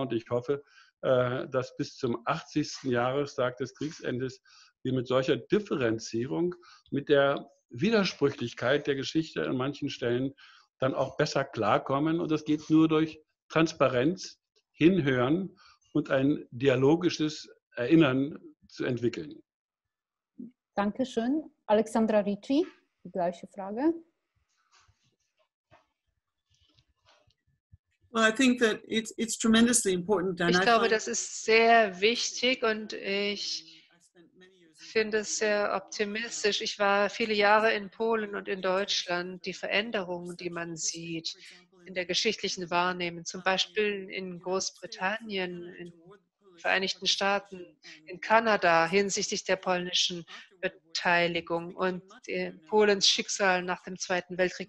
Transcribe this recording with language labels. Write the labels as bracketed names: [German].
[German] Und ich hoffe, dass bis zum 80. Jahrestag des Kriegsendes wir mit solcher Differenzierung, mit der Widersprüchlichkeit der Geschichte an manchen Stellen dann auch besser klarkommen. Und das geht nur durch Transparenz, Hinhören und ein dialogisches Erinnern zu entwickeln. Dankeschön. Alexandra Ricci, die gleiche Frage. [English] Well, I think that it's tremendously important. [German] Ich glaube, das ist sehr wichtig und ich finde es sehr optimistisch. Ich war viele Jahre in Polen und in Deutschland. Die Veränderungen, die man sieht in der geschichtlichen Wahrnehmung, zum Beispiel in Großbritannien, in Vereinigten Staaten, in Kanada hinsichtlich der polnischen Beteiligung und Polens Schicksal nach dem Zweiten Weltkrieg.